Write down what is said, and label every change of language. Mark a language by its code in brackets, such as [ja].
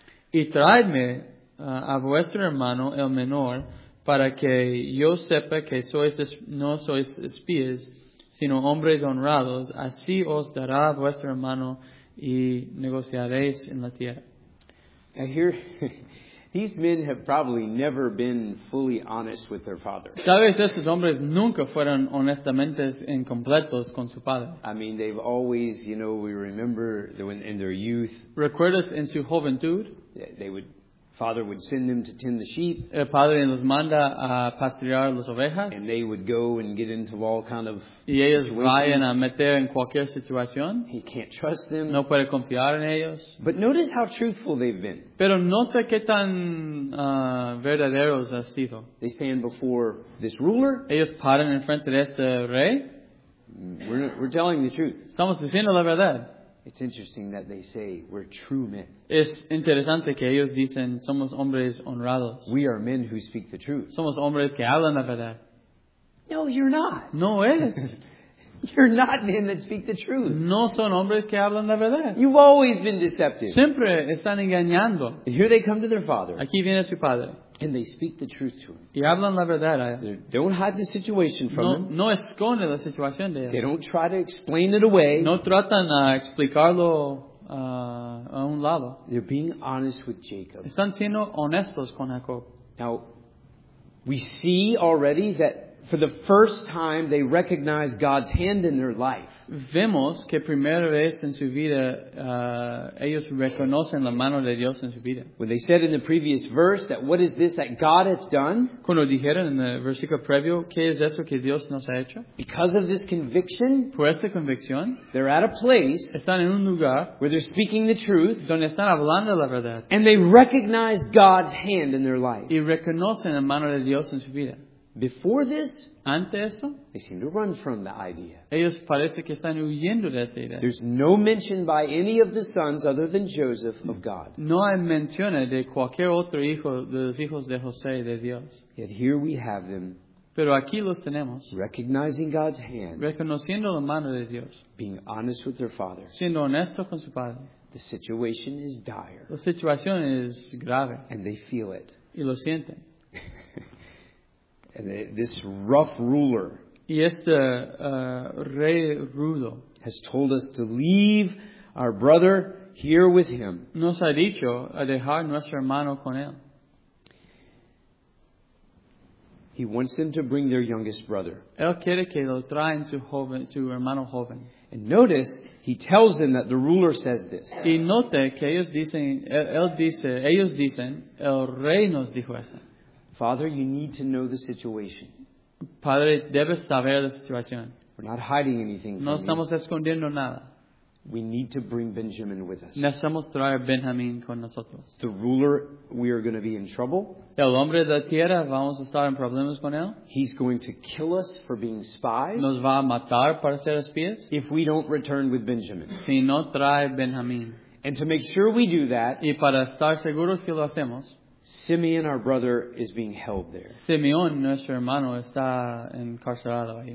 [es] Y traedme a vuestro hermano, el menor, para que yo sepa que sois no sois espías, sino hombres honrados. Así os dará vuestro hermano y negociaréis en la tierra. [en] I hear. These men have probably never been fully honest with their father. [es] Tal vez estos hombres nunca fueron honestamente incompletos con su padre. [en] I mean, they've always, you know, we remember when in their youth. [es] ¿Recuerdas en su juventud? [en] Father would send them to tend the sheep. [es] El padre los manda a pastorear las ovejas. [en] And they would go and get into all kind of. [es] Y ellos vayan a meter en cualquier situación. [en] He can't trust them. [es] No puede confiar en ellos. [en] But notice how truthful they've been. [es] Pero nota qué tan verdaderos han sido. [en] They stand before this ruler. [es] Ellos paran en frente de este rey. [en] We're telling the truth. [es] Estamos diciendo la verdad. [en] It's interesting that they say we're true men. [es] Es interesante que ellos dicen somos hombres honrados. [en] We are men who speak the truth. [es] Somos hombres que hablan la verdad. [en] No, you're not. [es] No eres. [en] You're not men that speak the truth. [es] No son hombres que hablan la verdad. [en] You've always been deceptive. [es] Siempre están engañando. [en] And here they come to their father. [es] Aquí viene su padre. [en] And they speak the truth to him. [es] Y hablan la verdad. [en] Don't hide the situation from him. [es] No esconde la situación de él. [en] They don't try to explain it away. [es] No tratan a explicarlo a un lado. [en] They're being honest with Jacob. [es] Están siendo honestos con Jacob. [en] Now, we see already that for the first time they recognize God's hand in their life. [es] Vemos que primera vez en su vida ellos reconocen la mano de Dios en su vida. [en] When they said in the previous verse that what is this that God has done? [es] Cuando dijeron en el versículo previo, ¿qué es eso que Dios nos ha hecho? [en] Because of this conviction, [es] por esta convicción, [en] they're at a place, [es] están en un lugar, [en] where they're speaking the truth, [es] donde están hablando la verdad, [en] and they recognize God's hand in their life. [es] Y reconocen la mano de Dios en su vida. [en] Before this, [es] ante esto, [en] they seem to run from the idea. [es] Ellos parece que están huyendo de esta idea. [en] There's no mention by any of the sons other than Joseph of God. [es] No hay mención de cualquier otro hijo de los hijos de José de Dios. [en] Yet here we have them. [es] Pero aquí los tenemos. [en] Recognizing God's hand. [es] Reconociendo la mano de Dios. [en] Being honest with their father. [es] Siendo honesto con su padre. [en] The situation is dire. [es] La situación es grave. [en] And they feel it. [es] Y lo sienten. [en] And this rough ruler, [es] y este, rey rudo, [en] has told us to leave our brother here with him. [es] Nos ha dicho a dejar nuestro hermano con él. [en] He wants them to bring their youngest brother. [es] Él quiere que lo traen su joven, su hermano joven. [en] And notice, he tells them that the ruler says this. [es] Y note que ellos dicen, ellos dicen, el rey nos dijo eso. [en] Father, you need to know the situation. [es] Padre, debes saber la situación. [en] We're not hiding anything from you. [es] No estamos escondiendo nada. [en] We need to bring Benjamin with us. [es] Necesitamos traer a Benjamín con nosotros. [en] The ruler, we are going to be in trouble. [es] El hombre de la tierra, vamos a estar en problemas con él. [en] He's going to kill us for being spies. [es] Nos va a matar para ser espías. [en] If we don't return with Benjamin. [es] Si no trae Benjamín. [en] And to make sure we do that. [es] Y para estar seguros que lo hacemos. [en] Simeon, our brother, is being held there. [es] Simeon, nuestro hermano, está encarcelado ahí.